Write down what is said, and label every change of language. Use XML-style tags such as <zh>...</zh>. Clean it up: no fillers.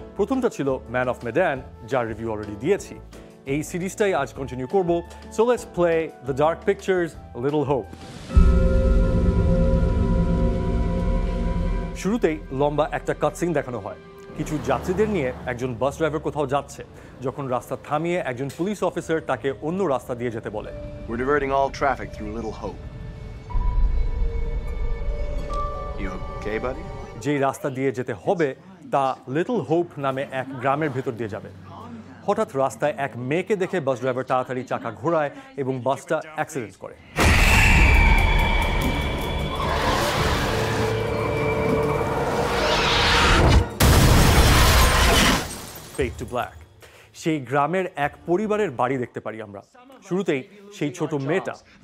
<bn>প্রথমটা ছিল man of মেডান যার রিভিউ অলরেডি দিয়েছি এই সিরিজটাই আজ কন্টিনিউ করব</bn> <en>so let's play</en> <bn>the dark pictures little hope শুরুতেই লম্বা একটা কাটসিন দেখানো হয় কিছু যাত্রীদের নিয়ে একজন বাস ড্রাইভার কোথাও যাচ্ছে যখন রাস্তা থামিয়ে একজন পুলিশ অফিসার তাকে অন্য রাস্তা দিয়ে যেতে বলে</bn> <en>We're diverting all traffic through Little Hope. You okay, buddy?</en> <bn>যে রাস্তা দিয়ে যেতে হবে তা লিটল হোপ নামে এক গ্রামের ভেতর দিয়ে যাবে হঠাৎ রাস্তায় এক মেয়েকে দেখে বাস ড্রাইভার তাড়াতাড়ি চাকা ঘোরায় এবং বাসটা অ্যাক্সিডেন্ট করে</bn> <en>fade to black</en> <bn>সেই গ্রামের এক পরিবারের বাড়ি দেখতে পারি আমরা শুরুতেই সেই ছোট মেয়েটা</bn>